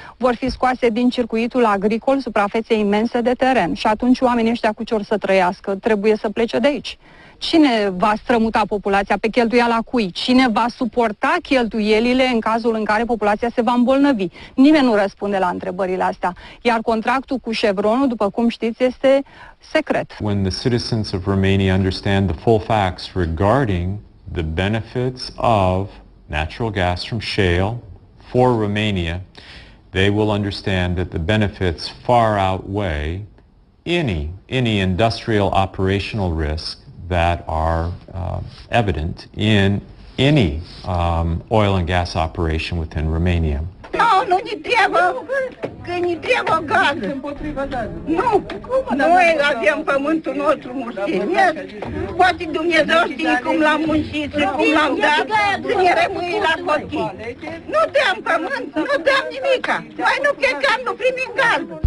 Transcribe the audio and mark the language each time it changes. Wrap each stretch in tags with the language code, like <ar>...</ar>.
<ro>Vor fi scoase din circuitul agricol suprafețe imense de teren. Și atunci oamenii ăștia cu ce or să trăiască? Trebuie să plece de aici. Cine va strămuta populația? Pe cheltuiala cui? Cine va suporta cheltuielile în cazul în care populația se va îmbolnăvi? Nimeni nu răspunde la întrebările astea. Iar contractul cu Chevronul, după cum știți, este secret.</ro> <en>When the citizens of Romania understand the full facts regarding the benefits of natural gas from shale for Romania, they will understand that the benefits far outweigh any industrial operational risk that are evident in any oil and gas operation within Romania.</en> <ro>No, nu ne trebuie, că ne trebuie gaz. Nu, noi avem pământul nostru muncit. Poate Dumnezeu știe cum l-am muncit și cum l-am dat să ne rămâi la copii. Nu dăm pământ, nu dăm nimica. Noi nu plecăm, nu primim gaz.</ro>